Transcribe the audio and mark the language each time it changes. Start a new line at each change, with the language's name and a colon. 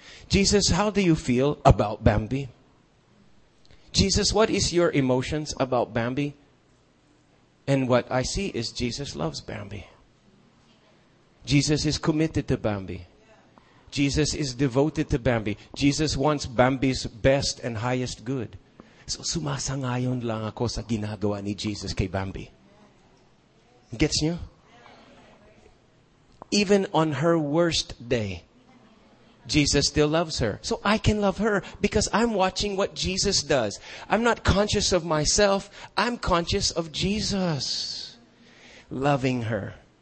English: Jesus, how do you feel about Bambi? Jesus, what is your emotions about Bambi? And what I see is Jesus loves Bambi. Jesus is committed to Bambi. Jesus is devoted to Bambi. Jesus wants Bambi's best and highest good.
Filipino: So sumasangayon lang ako sa ginagawa ni Jesus kay Bambi. Gets niyo?
English: Even on her worst day, Jesus still loves her. So I can love her because I'm watching what Jesus does. I'm not conscious of myself. I'm conscious of Jesus loving her.